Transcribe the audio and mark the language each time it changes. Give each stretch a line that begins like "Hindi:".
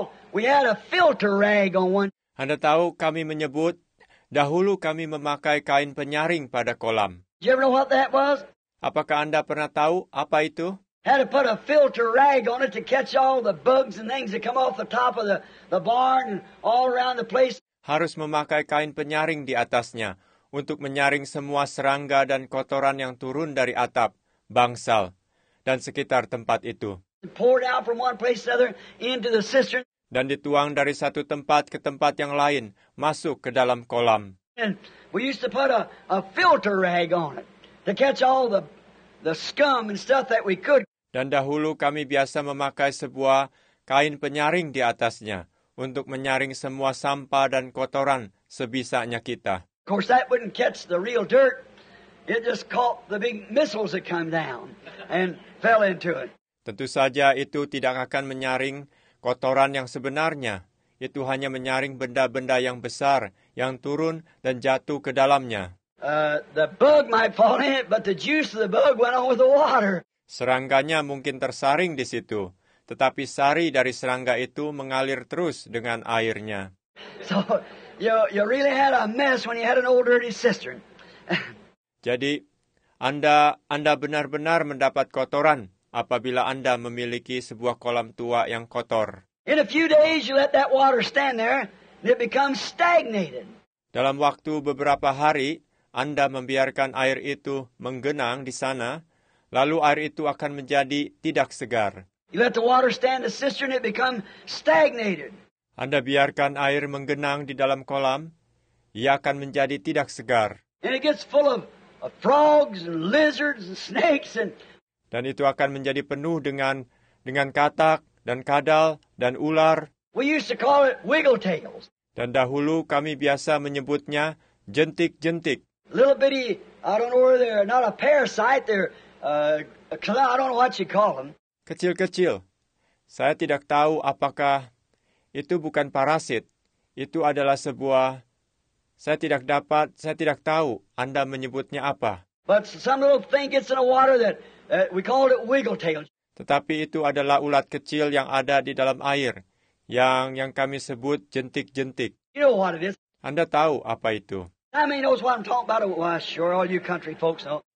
English: We had a filter rag on one.
Indonesian: Anda tahu kami menyebut dahulu kami memakai kain penyaring pada kolam.
English: Do you ever know what that was?
Indonesian: Apakah Anda pernah tahu apa itu?
English: Had to put a filter rag on it to catch all the bugs and things that come off the top of the barn and all around the place.
Indonesian: Harus memakai kain penyaring di atasnya untuk menyaring semua serangga dan kotoran yang turun dari atap, bangsal, dan sekitar tempat itu.
English: Poured out from one place to another into the cistern.
Indonesian: Dan dituang dari satu tempat ke tempat yang lain, masuk ke dalam kolam.
English: And we used to put a filter rag on it to catch all the scum and stuff that we could.
Indonesian: Dan dahulu kami biasa memakai sebuah kain penyaring di atasnya untuk menyaring semua sampah dan kotoran sebisanya kita.
English: Of course, that wouldn't catch the real dirt. It just caught the big missiles that come down and fell into it.
Indonesian: Tentu saja itu tidak akan menyaring kotoran yang sebenarnya. Itu hanya menyaring benda-benda yang besar yang turun dan jatuh ke dalamnya.
English: The bug might fall in it, but the juice of the bug went on with the water.
Indonesian: Serangganya mungkin tersaring di situ, tetapi sari dari serangga itu mengalir terus dengan airnya.
English: So, you really had a mess when you had an old dirty cistern.
Indonesian: Jadi, Anda benar-benar mendapat kotoran apabila Anda memiliki sebuah kolam tua yang kotor.
English: In a few days, you let that water stand there, and it becomes stagnated.
Indonesian: Dalam waktu beberapa hari, Anda membiarkan air itu menggenang di sana, lalu air itu akan menjadi tidak segar.
English: You let the water stand the cistern, it become stagnated.
Indonesian: Anda biarkan air menggenang di dalam kolam, ia akan menjadi tidak segar.
English: And it gets full of frogs and lizards and snakes and.
Indonesian: Dan itu akan menjadi penuh dengan katak dan kadal dan ular.
English: We used to call it wiggle tails.
Indonesian: Dan dahulu kami biasa menyebutnya jentik-jentik.
English: Little bitty, I don't know where they're not a parasite, they're I don't know what you call them.
Indonesian: Kecil-kecil. Saya tidak tahu apakah itu bukan parasit. Itu adalah sebuah saya tidak tahu Anda menyebutnya apa.
English: But some little thing gets in the water that we called it wiggle tail.
Indonesian: Tetapi itu adalah ulat kecil yang ada di dalam air yang kami sebut jentik-jentik.
English: You know what it is?
Indonesian: Anda tahu apa itu?
English: How many knows what I'm talking about? Well, sure, all you country folks know.